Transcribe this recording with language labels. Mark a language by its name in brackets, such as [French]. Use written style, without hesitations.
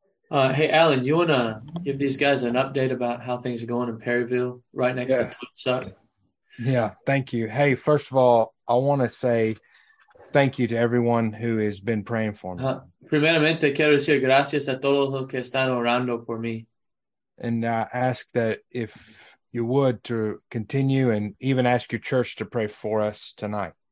[English] Hey, Alan, you wanna give these guys an update about how things are going in Perryville, right next to Tutsuck? Yeah, thank you. Hey, first of all, I want to say thank you to everyone who has been praying for me. [Spanish] Primeramente, quiero decir gracias a todos los que están orando por mí. [English] And I ask that if you would to continue and even ask your church to pray for us tonight.